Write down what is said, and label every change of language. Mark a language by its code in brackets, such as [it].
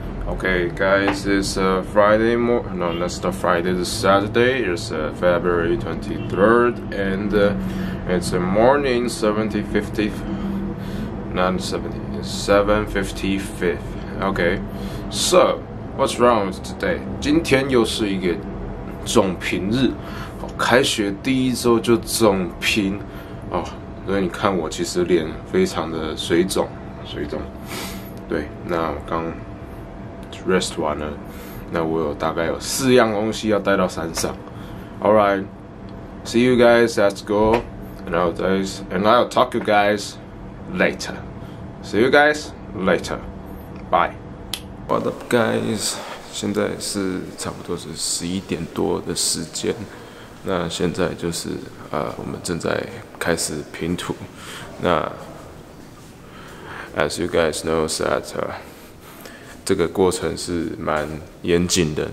[en] OK, guys, it's a Friday morning. No, not the Friday, it's Saturday. It's February 23rd, and it's a morning 7:55. OK, so, What's wrong with today? [zh] 今天又是一个总评日，开学第一周就总评哦，所以你看我其实脸非常的水肿，水肿。对，那我刚 rest 完了，那我有大概有四样东西要带到山上。 [en] All right, see you guys at school, and I'll talk to you guys later. See you guys later. Bye. What up, guys? [zh] 现在是差不多是11点多的时间。那现在就是我们正在开始拼图。那 ， [en] as you guys know that， [zh] 这个过程是蛮严谨的。